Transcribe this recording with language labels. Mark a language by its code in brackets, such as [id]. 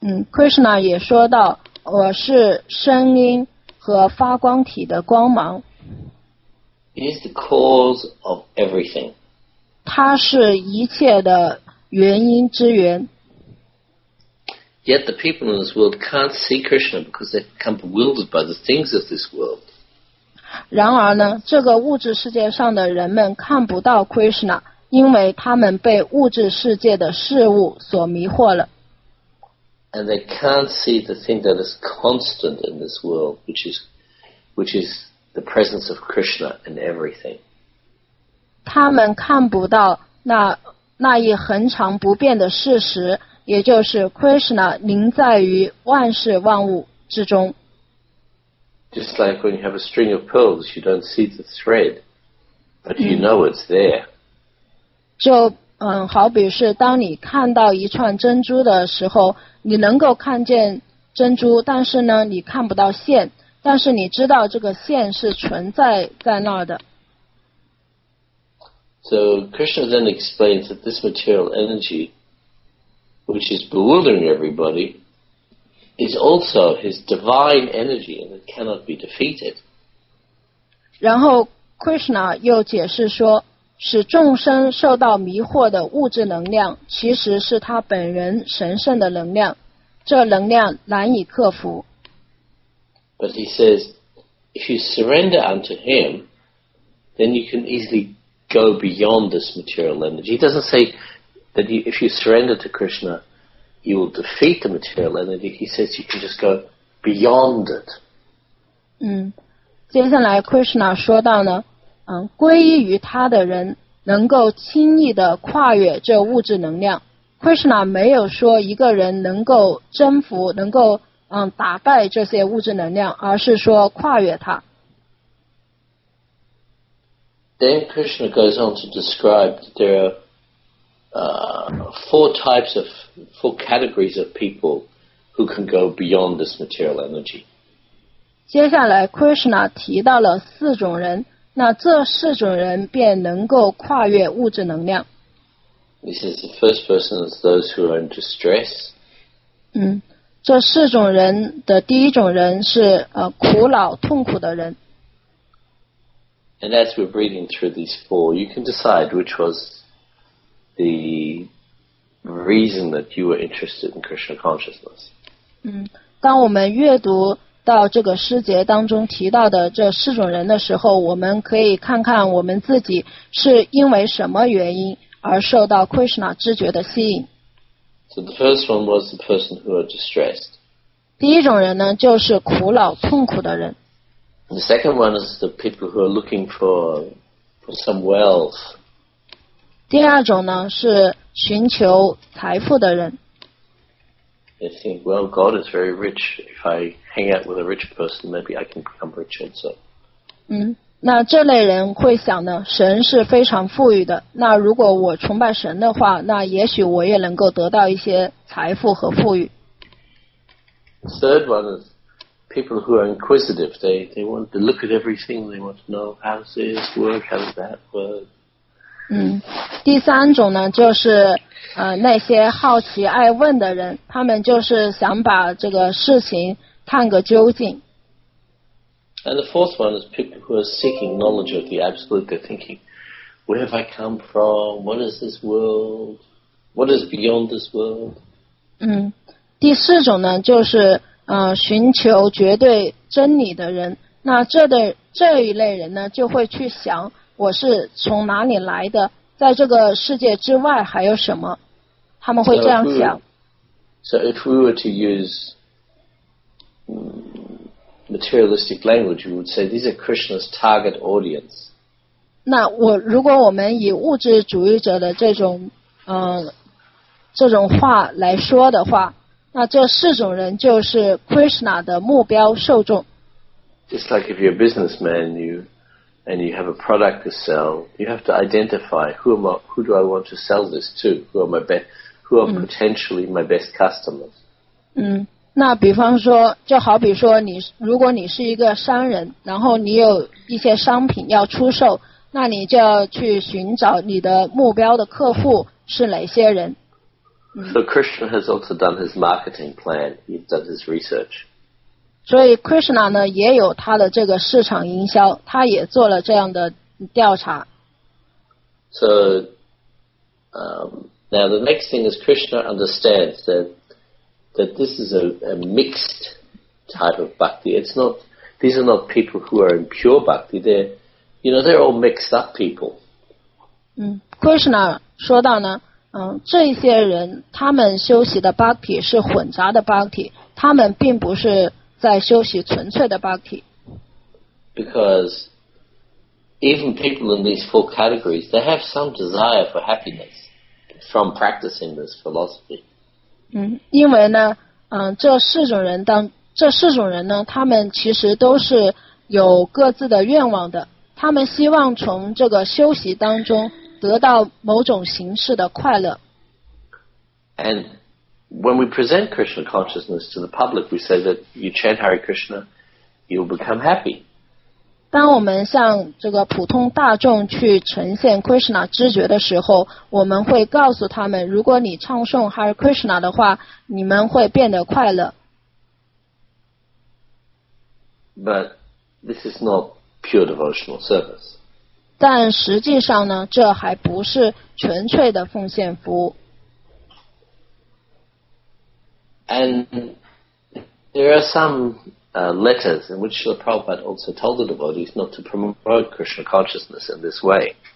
[zh] Krishna 也说到，我是声音和发光体的光芒。 [en] He is the cause of everything. [zh] 他是一切的原因之源。 [en] Yet the people in this world can't see Krishna because they've become bewildered by the things of this world. [zh] 然而呢，这个物质世界上的人们看不到 Krishna， 因为他们被物质世界的事物所迷惑了。 [en] And they can't see the thing that is constant in this world, which is the presence of Krishna in everything. [zh] 他们看不到那一恒常不变的事实。也就是 Krishna 临在于万事万物之中。 [en] Just like when you have a string of pearls, you don't see the thread, but you know it's there. [zh] 就好比是当你看到一串珍珠的时候，你能够看见珍珠，但是呢，你看不到线，但是你知道这个线是存在那儿的。 [en] So Krishna then explains that this material energy. Which is bewildering everybody, is also his divine energy, and it cannot be defeated. [zh] 然后 Krishna 又解释说，使众生受到迷惑的物质能量，其实是他本人神圣的能量，这能量难以克服。 [en] But he says, if you surrender unto him, then you can easily go beyond this material energy. He doesn't say. That if you surrender to Krishna, you will defeat the material energy. He says you can just go beyond it. [zh] 接下来 Krishna 说到呢，皈依于他的人能够轻易的跨越这物质能量。 Krishna 没有说一个人能够征服，能够打败这些物质能量，而是说跨越它。 [en] Then Krishna goes on to describe that there are. Four categories of people who can go beyond this material energy. [zh] 接下来 ，Krishna 提到了四种人，那这四种人便能够跨越物质能量。 [en] He says the first person is those who are in distress. [zh] 这四种人的第一种人是苦恼痛苦的人。 [en] And as we're reading through these four, you can decide which was. The reason that you were interested in Krishna consciousness. [zh] 当我们阅读到这个诗节当中提到的这四种人的时候，我们可以看看我们自己是因为什么原因而受到 Krishna 知觉的吸引。 [en] So the first one was the person who are distressed. [zh] 第一种人呢，就是苦恼痛苦的人。 [en] The second one is the people who are looking for some wealth. [zh] 第二种呢，是寻求财富的人。 [en] They think, well, God is very rich. If I hang out with a rich person, maybe I can become rich also. [zh] 那这类人会想呢，神是非常富裕的，那如果我崇拜神的话，那也许我也能够得到一些财富和富裕。 [en] The third one is people who are inquisitive. They want to look at everything. They want to know how does this work, how does that work. [zh] 第三种呢，就是那些好奇爱问的人，他们就是想把这个事情探个究竟。 [en] And the fourth one is people who are seeking knowledge of the absolute. They're thinking, where have I come from? What is this world? What is beyond this world? [zh] 第四种呢，就是寻求绝对真理的人。那这一类人呢，就会去想，我是从哪里来的，在这个世界之外还有什么，他们会这样想。 [en] So if we were to use materialistic language, we would say these are Krishna's target audience. [zh] 那如果我们以物质主义者的这种话来说的话，那这四种人就是 Krishna 的目标受众。 [en] Just like if you're a businessman, you have a product to sell, you have to identify who do I want to sell this to, who are potentially my best customers. [zh] 那比方说，就好比说如果你是一个商人，然后你有一些商品要出售，那你就要去寻找你的目标的客户是哪些人。 [en] So Krishna has also done his marketing plan. He's done his research. [zh] 所以 Krishna 呢也有他的这个市场营销，他也做了这样的调查。 [en] So, now the next thing is Krishna understands that this is a mixed type of bhakti. It's not, these are not people who are in pure bhakti. They're all mixed up people. [zh] Krishna 说到呢，这些人他们修习的 bhakti 是混杂的 bhakti， 他们并不是在修习纯粹的 bhakti。 [en] Because even people in these four categories, they have some desire for happiness from practicing this philosophy. [zh] 因为呢，这四种人呢，他们其实都是有各自的愿望的，他们希望从这个修习当中得到某种形式的快乐。 [en] And when we present Krishna consciousness to the public, we say that you chant Hare Krishna, you'll become happy. [zh] 当我们向这个普通大众去呈现 Krishna 知觉的时候，我们会告诉他们，如果你唱诵 Hare Krishna 的话，你们会变得快乐。 [en] But this is not pure devotional service. [zh] 但实际上呢，这还不是纯粹的奉献服务。 [en] And there are some letters in which Srila Prabhupada also told the devotees not to promote Krishna consciousness in this way.